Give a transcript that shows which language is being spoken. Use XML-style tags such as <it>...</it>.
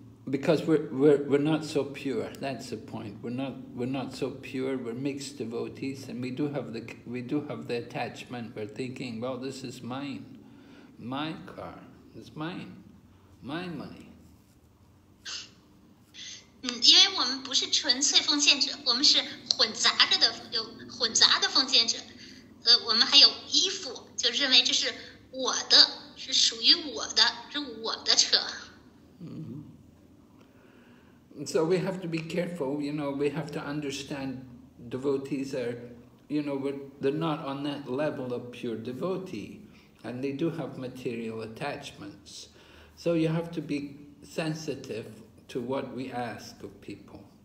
<en>Because we're not so pure. That's the point. We're not so pure. We're mixed devotees, and we do have the attachment. We're thinking, well, this is mine, my car. It's mine, my money.</en> <zh>因为我们不是纯粹奉献者，我们是混杂着的，有混杂的奉献者。我们还有衣服，就认为这是我的，是属于我的，是我的车。</zh> <en>And so we have to be careful, you know, we have to understand devotees are, you know, they're not on that level of pure devotee, and they do have material attachments. So you have to be sensitive to what we ask of people.</en>